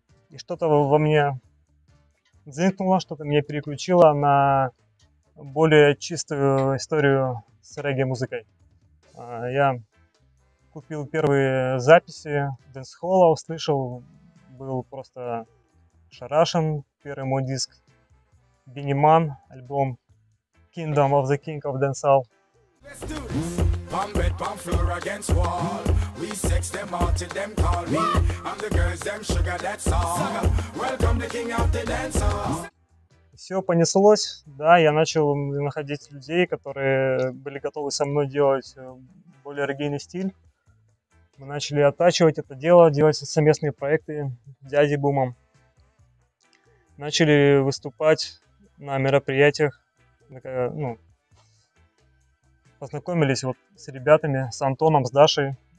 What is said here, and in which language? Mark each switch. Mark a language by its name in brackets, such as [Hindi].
[Russian] И что-то во мне взвинкнуло, что-то меня переключило на более чистую историю с регги-музыкой. Я купил первые записи дэнс-холла, услышал, был просто шарашен. Первый мой диск Бинни Ман, альбом Kingdom of the King of Dancehall. [English] Bum bed, bum floor against wall. We sex them all till them call me. I'm the girls, them sugar, that's all. Welcome the king of the dancehall. [Russian] Все понеслось, да, я начал находить людей, которые были готовы со мной делать более регийный стиль. Мы начали оттачивать это дело, делать совместные проекты с дядей Бумом. Начали выступать на мероприятиях. Ну, познакомились вот с ребятами, с Антоном, с Дашей.